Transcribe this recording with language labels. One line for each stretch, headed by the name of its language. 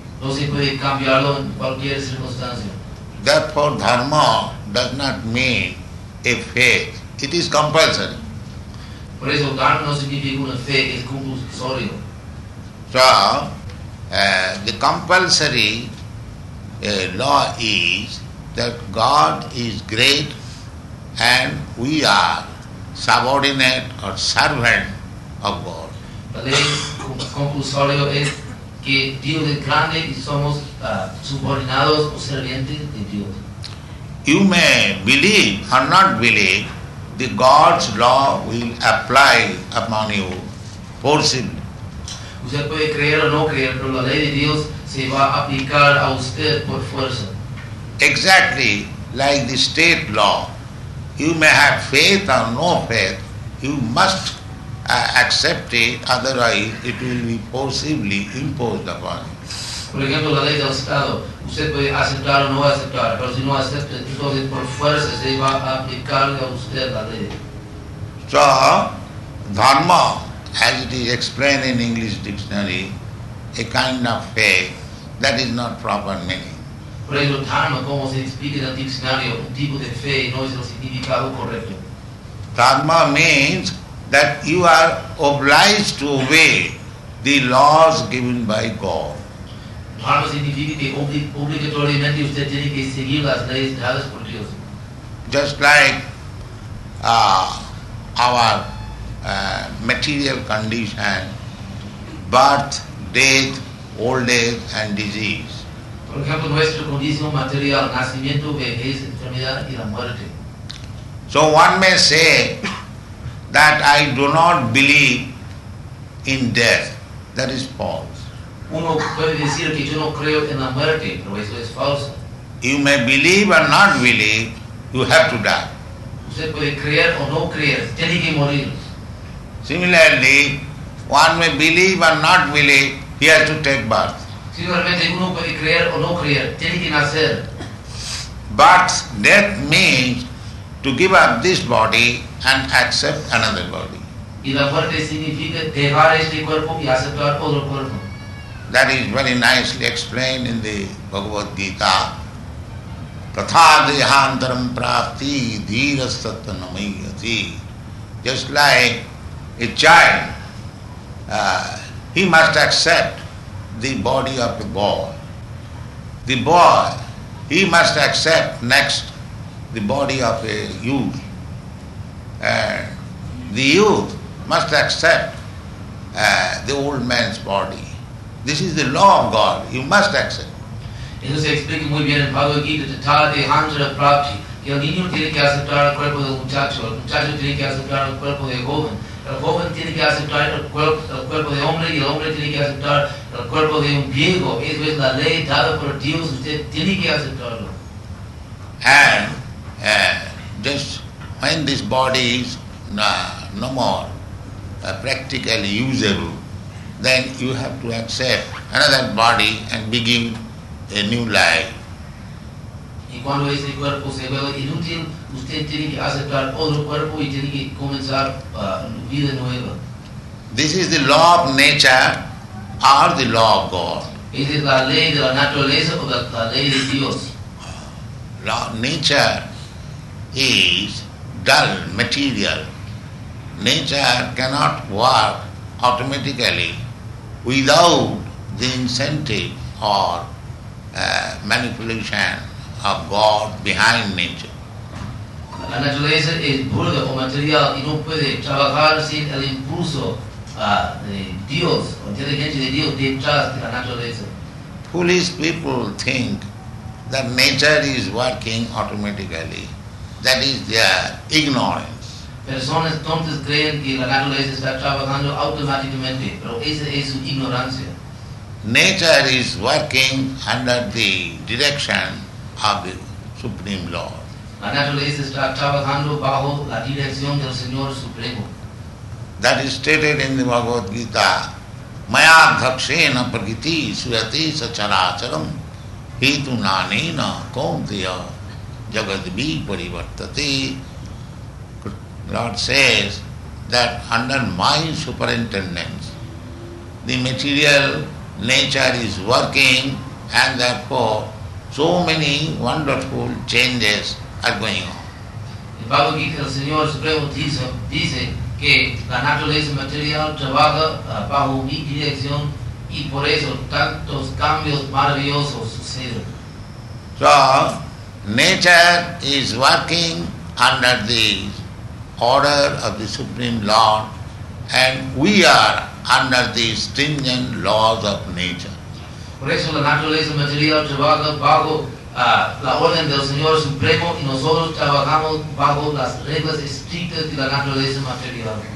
Spanish: No se puede cambiarlo en cualquier circunstancia.
English: Therefore, dharma does not mean a faith. It is compulsory.
Spanish: Por eso, dharma no significa una fe, es compulsorio.
English: So, the compulsory law is that God is great and we are subordinate or servant of God.
Spanish: La ley compulsorio es que Dios es grande y somos subordinados o servientes de Dios.
English: You may believe or not believe, the God's law will apply upon you forcibly.
Spanish: Usted puede creer o no creer, pero la ley de Dios se va a aplicar a usted por fuerza.
English: Exactly like the state law. You may have faith or no faith, you must accept it, otherwise it will be forcibly imposed upon you.
Spanish: Por ejemplo, la ley del Estado, usted puede aceptar o no aceptar, pero si no acepta, entonces por fuerza se va a aplicar a usted la ley.
English: So, dharma, as it is explained in English dictionary, a kind of faith, that is not proper meaning.
Spanish: Por eso, dharma, como se explica en el diccionario, un tipo de fe no es el significado correcto.
English: Dharma means that you are obliged to obey the laws given by God.
Spanish: Dharma significa que obligatoriamente usted tiene que seguir las leyes dadas por Dios.
English: Just like our material condition, birth, death, old age and disease.
Spanish: Por ejemplo, nuestro condición material, nacimiento, vejez, enfermedad y la muerte.
English: So one may say that I do not believe in death. That is false.
Spanish: Uno puede decir que yo no creo en la muerte, pero eso es falso.
English: You may believe or not believe, you have to die.
Spanish: Usted puede creer o no creer, tiene que morir.
English: Similarly, one may believe or not believe, he has to take birth.
Spanish: Similarmente, uno puede creer o no creer, tiene que nacer.
English: But death means to give up this body and accept another body.
Spanish: Y la muerte significa dejar este cuerpo y aceptar otro cuerpo.
English: That is very nicely explained in the Bhagavad Gita.
Sanskrit: Tathadehantaram prapti dhirasattva namayati.
English: Just like a child, he must accept the body of the boy. The boy, he must accept next the body of a youth. And the youth must accept the old man's body. This is the law of God. You must accept.
Spanish: Entonces explica muy bien en Bhagavad Gita,
Sanskrit: Tathadehantaram prapti,
Spanish: que el niño tiene que aceptar el cuerpo del muchacho, el muchacho tiene que aceptar el cuerpo del joven. El joven tiene que aceptar el cuerpo de hombre y el hombre tiene que aceptar el cuerpo de un viejo. Eso es la ley dada por Dios. Usted tiene que aceptarlo.
English: And just when this body is no more practically usable, then you have to accept another body and begin a new life.
Spanish: Y cuando ese cuerpo se vuelve inútil, usted tiene que aceptar otro cuerpo y tiene que comenzar vida nueva.
English: This is the law of nature or the law of God.
Spanish: Esa es la ley de la naturaleza o la ley de Dios.
English: Law nature is dull material. Nature cannot work automatically without the incentive or manipulation of God behind nature.
Spanish: La naturaleza es burda o material y no puede trabajar sin el impulso de Dios, o inteligencia de Dios detrás de la naturaleza.
English: Foolish people think that nature is working automatically. That is their ignorance.
Spanish: Personas tontas creen que la naturaleza está trabajando automáticamente, pero esa es su ignorancia.
English: Nature is working under the direction of the Supreme Lord.
Spanish: La naturaleza está trabajando bajo la dirección del Señor Supremo.
English: That is stated in the Bhagavad Gita.
Sanskrit: Maya dhakshena prakiti surati sacharacharam hetu nanena kaunteya jagadvi parivartate.
English: Lord says that under my superintendence the material nature is working, and therefore so many wonderful changes are going on.
Spanish: The Bhagavad Gita, el Señor Supremo dice que la naturaleza material trabaja bajo mi dirección y por eso tantos cambios maravillosos suceden.
English: So, nature is working under the order of the Supreme Lord, and we are under the stringent laws of nature.
Spanish: Por eso la naturaleza material trabaja bajo la orden del Señor Supremo y nosotros trabajamos bajo las reglas estrictas de la naturaleza material.